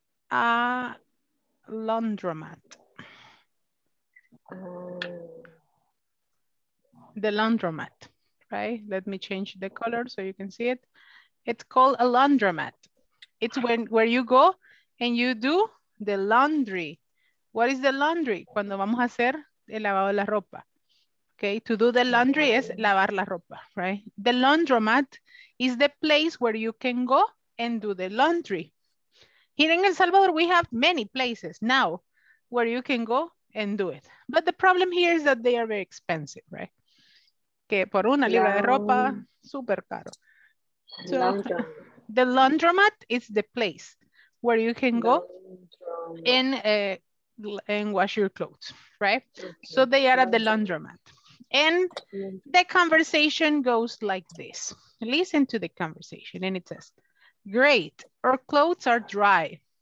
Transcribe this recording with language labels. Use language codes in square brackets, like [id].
[en] a laundromat? The laundromat, right? Let me change the color so you can see it. It's called a laundromat. It's when where you go and you do the laundry. What is the laundry? [es] Cuando vamos a hacer el lavado de la ropa. [en] Okay, to do the laundry is [es] lavar la ropa, [en] right? The laundromat is the place where you can go and do the laundry. Here in El Salvador, we have many places now where you can go and do it. But the problem here is that they are very expensive, right? [es] Que por una libra de ropa, super caro. [en] So, the laundromat is the place where you can go and wash your clothes, right? Okay. So they are at the laundromat. And the conversation goes like this. Listen to the conversation and it says, great, our clothes are dry.